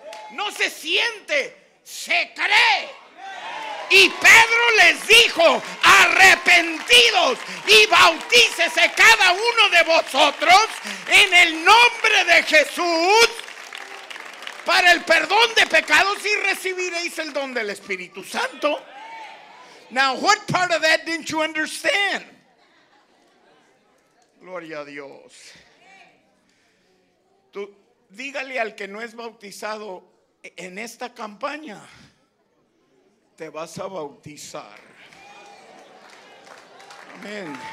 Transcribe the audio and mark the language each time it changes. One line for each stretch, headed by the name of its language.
Spanish: No se siente, se cree. Y Pedro les dijo: arrepentidos y bautícese cada uno de vosotros en el nombre de Jesús para el perdón de pecados y recibiréis el don del Espíritu Santo.
English: Now, what part of that didn't you understand?
Spanish: Gloria a Dios. Tú, dígale al que no es bautizado: en esta campaña te vas a bautizar. Amén.